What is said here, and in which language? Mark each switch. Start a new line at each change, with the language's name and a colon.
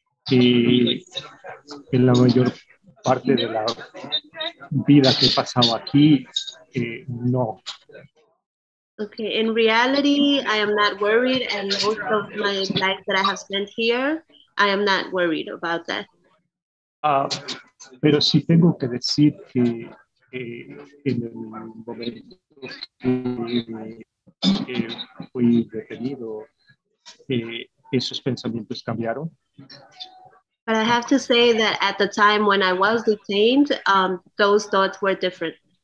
Spanish: Y en la mayor parte de la vida que he pasado aquí, no.
English: Okay, in reality, I am not worried, and most of my life that I have spent here, I am not worried about that.
Spanish: Pero sí tengo que decir que en el momento que fui detenido, esos pensamientos cambiaron.
English: But I have to say that at the time when I was detained, those thoughts were different.